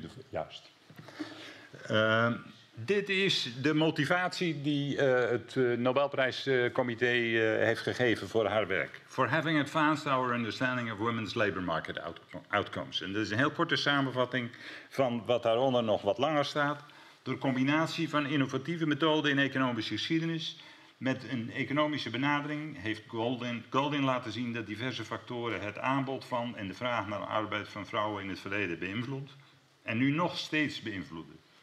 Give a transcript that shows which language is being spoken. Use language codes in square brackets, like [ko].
[nl] Juist. Dit is de motivatie die het Nobelprijscomité heeft gegeven voor haar werk. [en] For having advanced our understanding of women's labor market outcomes. [nl] En dat is een heel korte samenvatting van wat daaronder nog wat langer staat. Door combinatie van innovatieve methoden in economische geschiedenis met een economische benadering heeft Golden laten zien dat diverse factoren het aanbod van en de vraag naar arbeid van vrouwen in het verleden beïnvloedt en nu nog steeds beïnvloeden.